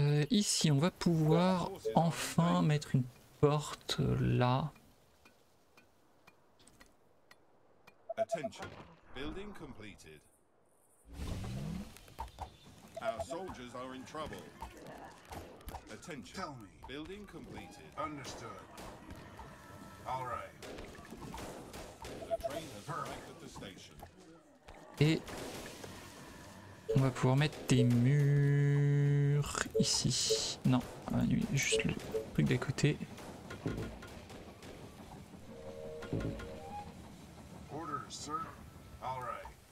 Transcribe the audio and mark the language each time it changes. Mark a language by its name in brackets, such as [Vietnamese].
[French] Ici, on va pouvoir enfin mettre une porte là. [English] Attention, building completed. Our soldiers are in trouble. Attention. Tell me. Building completed. Understood. All right. The train has arrived at the station. [French] Et on va pouvoir mettre des murs ici. Non, juste le truc d'à côté. [English] Orders, sir. All right.